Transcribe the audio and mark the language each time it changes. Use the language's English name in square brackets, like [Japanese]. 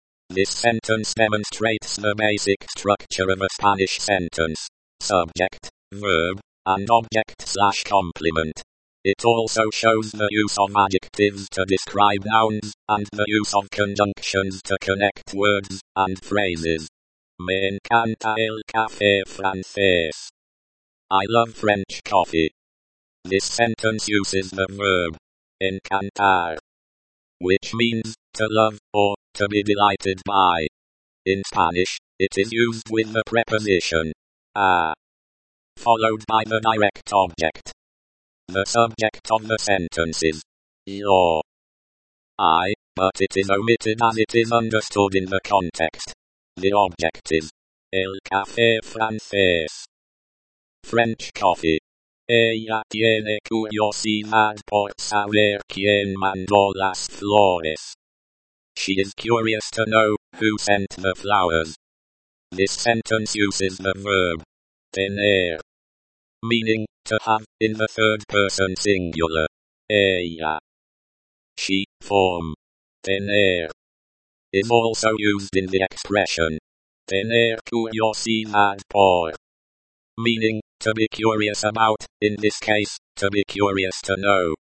[English] This sentence demonstrates the basic structure of a Spanish sentence. Subject, verb, and object slash complement. It also shows the use of adjectives to describe nouns, and the use of conjunctions to connect words and phrases. [Spanish] Me encanta el café francés. [English] I love French coffee. This sentence uses the verb encantar, which means to love or to be delighted by. In Spanish, it is used with the preposition a, followed by the direct object. The subject of the sentence is yo, I, but it is omitted as it is understood in the context. The object is el café francés, French coffee. [Spanish] Ella tiene curiosidad por saber quién mandó las flores. [English] She is curious to know who sent the flowers. This sentence uses the verb tener, meaning to have, in the third person singular. Ella. She, form tener, is also used in the expression tener curiosidad por, meaning to be curious about, in this case, to be curious to know.